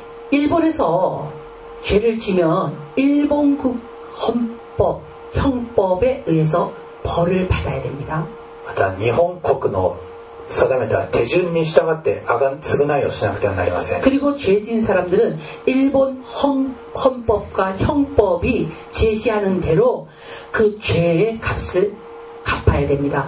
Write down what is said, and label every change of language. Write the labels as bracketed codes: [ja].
[ko] 일본에서 죄를 지면 일본국 헌법 형법에 의해서 벌을 받아야 됩니다. [ja] また日本国の定めた手順に従って償いをしなくてはなりません。 [ko] 그리고 죄진 사람들은 일본 헌법과 형법이 제시하는 대로 그 죄의 값을 갚아야 됩니다.